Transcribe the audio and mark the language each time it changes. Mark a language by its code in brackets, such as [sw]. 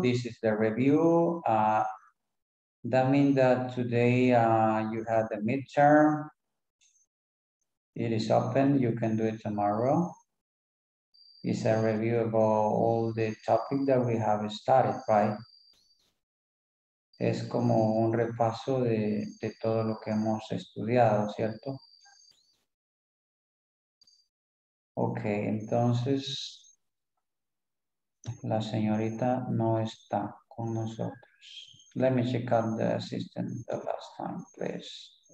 [en] This is the review. That means that today you had the midterm. It is open. You can do it tomorrow. It's a review about all the topics that we have studied, right? [es] Es como un repaso de todo lo que hemos estudiado, ¿cierto? Okay, entonces la señorita no está con nosotros. [en] Let me check out the assistant the last time, please.